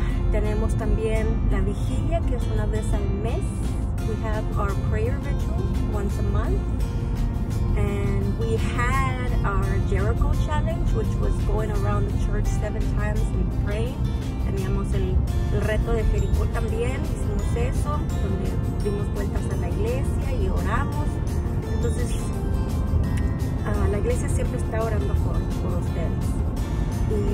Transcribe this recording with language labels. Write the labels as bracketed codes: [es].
[es] Tenemos también la vigilia, que es una vez al mes. [en] We have our prayer vigil once a month. And we had our Jericho challenge, which was going around the church 7 times and praying. [es] Teníamos el reto de Jericó también, hicimos eso, donde dimos vueltas a la iglesia y oramos. Entonces, la iglesia siempre está orando por ustedes.